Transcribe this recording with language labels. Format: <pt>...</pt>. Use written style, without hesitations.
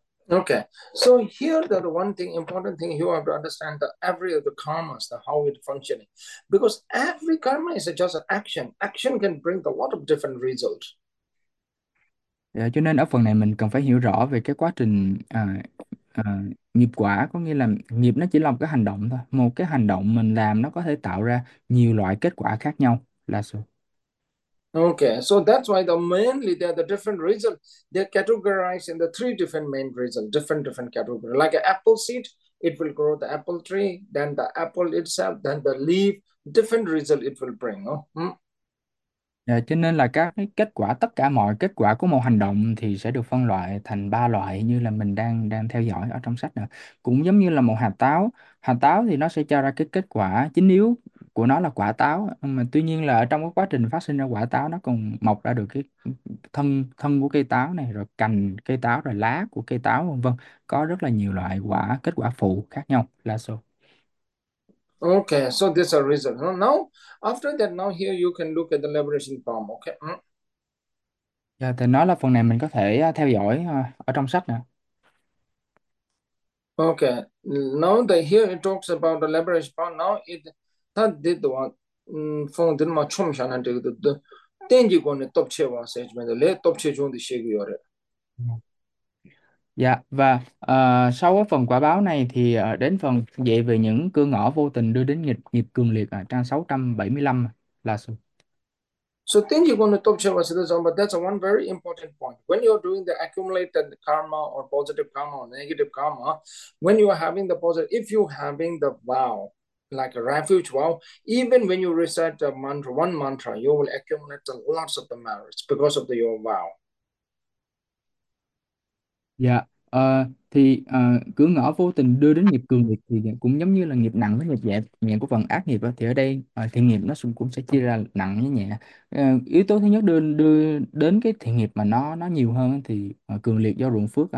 <en>Okay, so here the one thing important thing you have to understand the every of the karmas, the how it functioning, because every karma is just an action. Action can bring a lot of different results.</en> <vi>Cho nên ở phần này mình cần phải hiểu rõ về cái quá trình nghiệp quả, có nghĩa là nghiệp nó chỉ là một cái hành động thôi. Một cái hành động mình làm nó có thể tạo ra nhiều loại kết quả khác nhau, là số.</vi> <en>Okay, so that's why the mainly they are the different results. They're categorized in the three different main results, different category. Like an apple seed, it will grow the apple tree, then the apple itself, then the leaf, different result it will bring.</en> <vi>Cho nên là các cái kết quả, tất cả mọi kết quả của một hành động thì sẽ được phân loại thành ba loại, như là mình đang đang theo dõi ở trong sách nữa. Cũng giống như là một hạt táo. Hạt táo thì nó sẽ cho ra cái kết quả chính yếu của nó là quả táo, mà tuy nhiên là ở trong cái quá trình phát sinh ra quả táo, nó còn mọc ra được cái thân thân của cây táo này, rồi cành cây táo, rồi lá của cây táo, vân vân, có rất là nhiều loại quả, kết quả phụ khác nhau, là số.</vi> <en>Okay, so this is a reason. Now, after that, now here you can look at the liberation palm. Okay.</en> <vi>Dạ, thì nói là phần này mình có thể theo dõi ở trong sách nè.</vi> <en>Okay. Now the here it talks about the liberation palm. Now it 他得多，放点嘛，冲下来这个都，电机关的多切哇塞，这边的来多切中的些个要的。</en> <vi>Dạ, và sau cái phần quả báo này thì đến phần dạy về những cửa ngõ vô tình đưa đến nghịch nghiệp cường liệt ở trang 675 là sao?</vi> <en>So, then you're going to talk to us about this one, but that's one very important point. When you're doing the accumulated karma or positive karma or negative karma, when you are having the positive, if you're having the vow, like a refuge vow, even when you recite a mantra, one mantra, you will accumulate lots of the merits because of your vow.</en> <vi>Dạ, thì cửa ngõ vô tình đưa đến nghiệp cường liệt thì cũng giống như là nghiệp nặng với nghiệp nhẹ, nhẹ của phần ác nghiệp đó. Thì ở đây thiện nghiệp nó cũng sẽ chia ra nặng với nhẹ. Yếu tố thứ nhất đưa đến cái thiện nghiệp mà nó nhiều hơn thì cường liệt do ruộng phước.</vi>